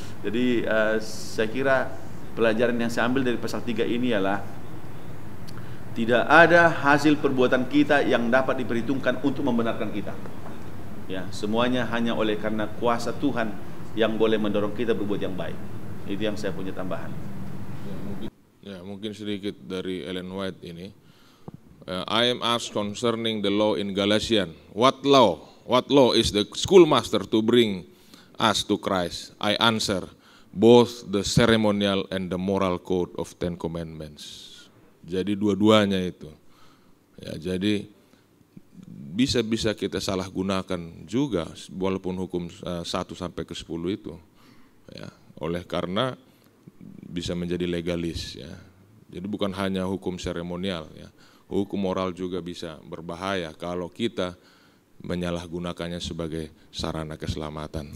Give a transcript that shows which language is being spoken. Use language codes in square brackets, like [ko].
[id] Jadi saya kira pelajaran yang saya ambil dari pasal 3 ini ialah tidak ada hasil perbuatan kita yang dapat diperhitungkan untuk membenarkan kita. Ya, semuanya hanya oleh karena kuasa Tuhan yang boleh mendorong kita berbuat yang baik. Itu yang saya punya tambahan. Ya, mungkin sedikit dari Ellen White ini. [en] I am asked concerning the law in Galatians. What law? What law is the schoolmaster to bring us to Christ? I answer, both the ceremonial and the moral code of Ten Commandments. [id] Jadi dua-duanya itu. Ya, jadi bisa-bisa kita salah gunakan juga walaupun hukum 1 sampai ke 10 itu. Ya, oleh karena bisa menjadi legalis ya. Jadi bukan hanya hukum seremonial ya. Hukum moral juga bisa berbahaya kalau kita menyalahgunakannya sebagai sarana keselamatan.